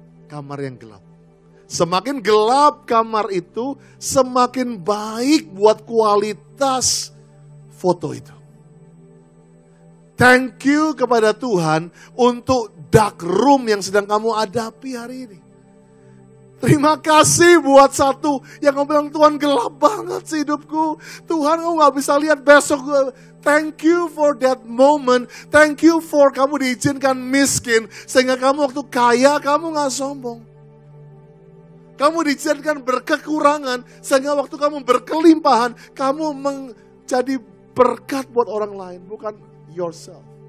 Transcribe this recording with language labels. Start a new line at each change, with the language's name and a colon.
Indonesian: Kamar yang gelap. Semakin gelap kamar itu, semakin baik buat kualitas foto itu.
English: Thank you
Indonesian: kepada Tuhan untuk
English: dark room
Indonesian: yang sedang kamu hadapi hari ini. Terima kasih buat satu yang kamu bilang, Tuhan gelap banget sih hidupku. Tuhan, aku gak bisa lihat besok.
English: Thank you for that moment. Thank you for
Indonesian: kamu diizinkan miskin. Sehingga kamu waktu kaya, kamu gak sombong. Kamu diizinkan berkekurangan. Sehingga waktu kamu berkelimpahan, kamu menjadi berkat buat orang lain. Bukan yourself.